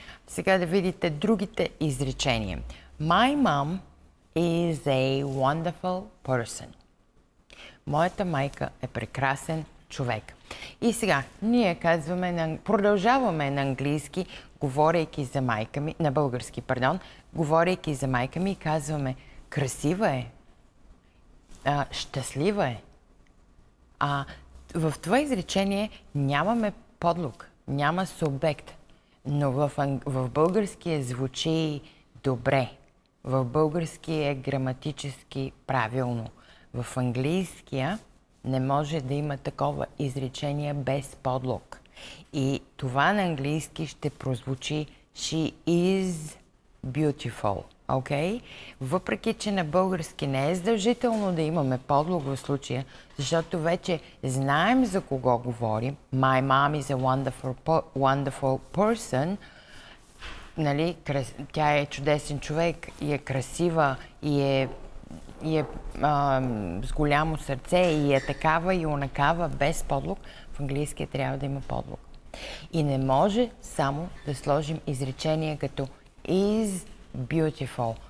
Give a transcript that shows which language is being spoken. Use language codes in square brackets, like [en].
[bg] Сега да видите другите изречения. [en] My mom is a wonderful person. [bg] моята майка е прекрасен човек. И сега, ние казваме, продължаваме на английски, говорейки за майка ми, на български, пардон, говорейки за майка ми, казваме, красива е, щастлива е. А в това изречение нямаме подлог, няма субект, но в български е звучи добре, в български е граматически правилно. В английския не може да има такова изречение без подлог. И това на английски ще прозвучи [en] She is beautiful. Okay? [bg] Въпреки, че на български не е задължително да имаме подлог в случая, защото вече знаем за кого говорим. [en] My mom is a wonderful person. [bg] Нали? Тя е чудесен човек и е красива и е... и е с голямо сърце и е такава и онакава без подлог, в английския трябва да има подлог. И не може само да сложим изречение като [en] is beautiful.